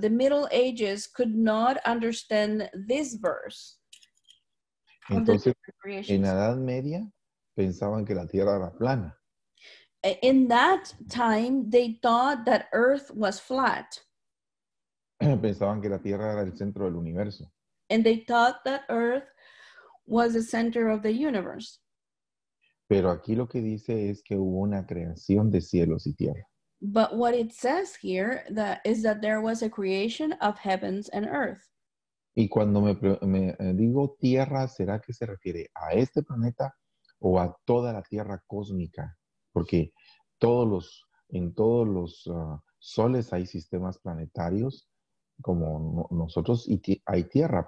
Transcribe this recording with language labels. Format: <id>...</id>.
<en>The Middle Ages could not understand this verse.</en> <es>Entonces, en la Edad Media, pensaban que la Tierra era plana.</es> <en>In that time, they thought that Earth was flat.</en> <es>Pensaban que la Tierra era el centro del universo.</es> <en>And they thought that Earth was the center of the universe.</en> <es>Pero aquí lo que dice es que hubo una creación de cielos y tierra.</es> <en>But what it says here is that there was a creation of heavens and earth.</en> <es>Y cuando me digo tierra, ¿será que se refiere a este planeta o a toda la tierra cósmica? Porque en todos los soles hay sistemas planetarios como nosotros y hay tierra.</es>